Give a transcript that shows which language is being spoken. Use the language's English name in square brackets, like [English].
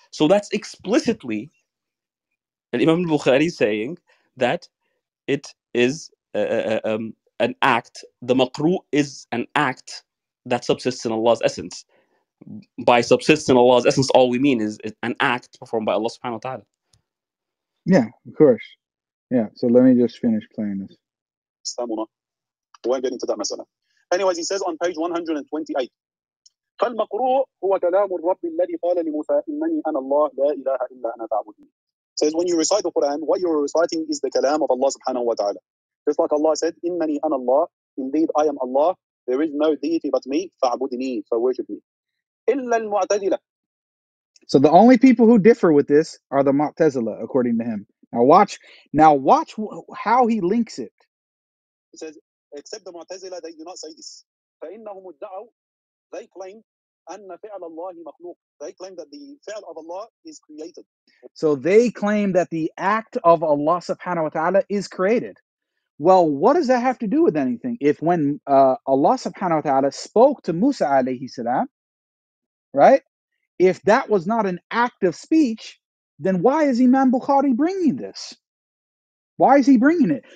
[English] So that's explicitly Imam Bukhari saying that it is an act, the maqru' is an act that subsists in Allah's essence. By subsists in Allah's essence, all we mean is an act performed by Allah subhanahu wa ta'ala. Yeah, of course. Yeah, so let me just finish playing this. We won't get into that masala. Anyways, he says on page 128, [Arabic] فَالْمَقْرُوءُ هُوَ كَلَامُ الرَّبِّ الَّذِي قَالَ لِمُوسَىٰ إِنَّنِي أَنَا اللَّهُ لَا إِلَهَ إِلَّا أَنَا تَعْبُدُنِي. [English] Says when you recite the Quran, what you're reciting is the kalam of Allah subhanahu wa ta'ala. Just like Allah said, [Arabic] إِنَّنِي أَنَا اللَّهُ, [English] indeed I am Allah, there is no deity but me, فَاعْبُدْنِي, so worship me. [Arabic] إِلَّا الْمُعْتَزِلَ. [English] So the only people who differ with this are the Mu'tazila, according to him. Now watch how he links it. He says, except the Mu'tazila, they do not say this. [Arabic] فَإِنَّهُمُ الدَّعَوْا, [English] they claim, [Arabic] أَنَّ فِعْلَ اللَّهِ مَخْلُوقٌ. [English] They claim that the fi'l of Allah is created. So they claim that the act of Allah subhanahu wa ta'ala is created. Well, what does that have to do with anything? If when Allah subhanahu wa ta'ala spoke to Musa alayhi salam, right? If that was not an act of speech, then why is Imam Bukhari bringing this? Why is he bringing it?